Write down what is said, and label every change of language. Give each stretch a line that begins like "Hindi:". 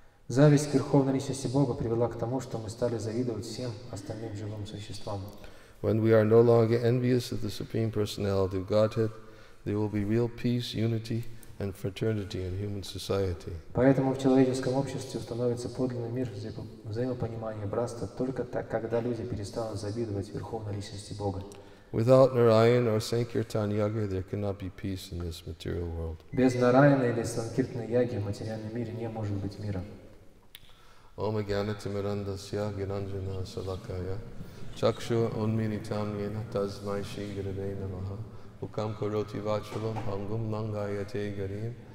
Russian: Зависть к Верховной Личности Бога привела к тому, что мы стали завидовать всем остальным живым существам.
English: When we are no longer envious of the Supreme Personality of Godhead, there will be real peace, unity, and fraternity in human society.
Russian: Поэтому в человеческом обществе установится подлинный мир взаимопонимания и братства только так, когда люди перестанут завидовать Верховной Личности Бога.
English: Without Narayan or Sankirtan Yagya, there cannot be peace in this material world.
Russian: Без Нараяна или Санкиртны Яги в материальном мире не может быть мира.
Sanskrit: Ом Агьянатимирандасья Гиранджана Салакая Чакшур Унмиритам Йена Тасмай Шри Гурве Намаха Мукам Кароти Вачалам Пангум Лангаяте Гарим